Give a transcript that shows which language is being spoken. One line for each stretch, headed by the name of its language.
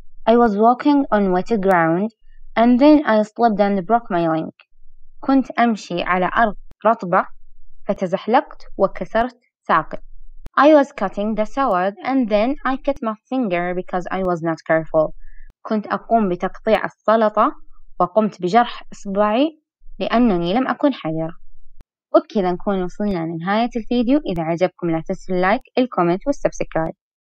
English: I was walking on wet ground and then I slipped and broke my leg.
Arabic: كنت أمشي على أرض رطبة فتزحلقت وكسرت ساقي.
English: I was cutting the sword and then I cut my finger because I was not careful.
Arabic: كنت أقوم بتقطيع السلطة وقمت بجرح إصبعي لأنني لم أكن حذرة. وبكذا نكون وصلنا لنهاية الفيديو. إذا عجبكم لا تنسوا اللايك، الكومنت والسبسكرايب.